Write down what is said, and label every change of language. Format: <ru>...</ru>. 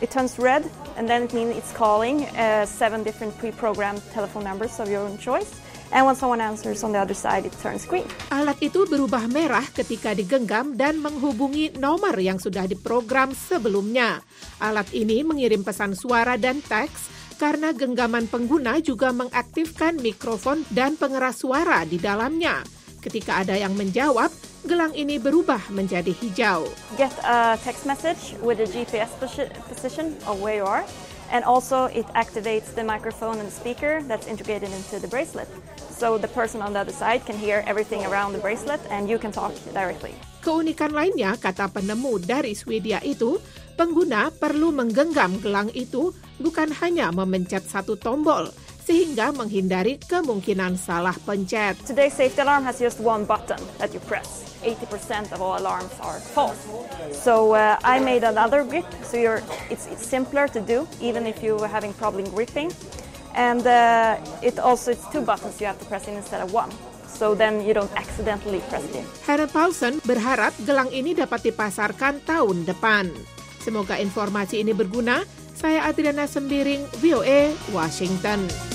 <en>It turns red and then it means it's calling seven different pre-programmed telephone numbers of your own choice. And when someone answers on the other side, it turns green.</en> <id>Alat itu berubah merah ketika digenggam dan menghubungi nomor yang sudah diprogram sebelumnya. Alat ini mengirim pesan suara dan teks karena genggaman pengguna juga mengaktifkan mikrofon dan pengeras suara di dalamnya. Ketika ada yang menjawab, gelang ini berubah menjadi hijau.</id> <en>Get a text message with a GPS position of where you are, and also it activates the microphone and speaker that's integrated into the bracelet. So the person on the other side can hear everything around the bracelet and you can talk directly.</en> <id>Keunikan lainnya, kata penemu dari Swedia itu, pengguna perlu menggenggam gelang itu bukan hanya memencet satu tombol, sehingga menghindari kemungkinan salah pencet.</id> <en>Today's safety alarm has just one button that you press. 80% of all alarms are false. So I made another grip, so it's simpler to do, even if you were having problem gripping. And it's two buttons you have to press in instead of one. So then you don't accidentally press it.</en> <id>Hanne Paulson berharap gelang ini dapat dipasarkan tahun depan. Semoga informasi ini berguna. Saya Adriana Sembiring, VOA, Washington.</id>